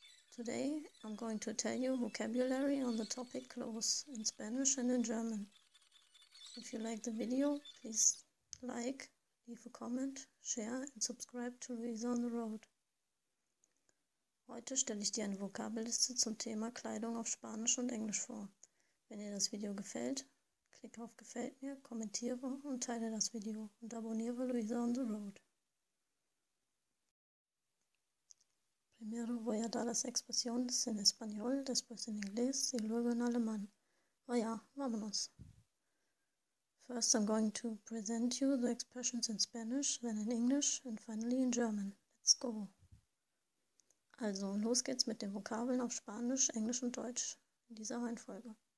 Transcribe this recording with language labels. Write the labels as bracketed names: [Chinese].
[English] Today, I'm going to tell you vocabulary on the topic clothes in Spanish and in German. If you like the video, please like. Leave a comment, share and subscribe to Luisa on the Road. [German] Heute stelle ich dir eine Vokabelliste zum Thema Kleidung auf Spanisch und Englisch vor. Wenn dir das Video gefällt, klicke auf Gefällt mir, kommentiere und teile das Video und abonniere Luisa on the Road. [Spanish] Primero voy a dar las expresiones en español, después en inglés y luego en alemán. [German] Oh ja, [Spanish] vámonos. [English] First, I'm going to present you the expressions in Spanish, then in English, and finally in German. Let's go. [German] Also, los geht's mit den Vokabeln auf Spanisch, Englisch und Deutsch in dieser Reihenfolge.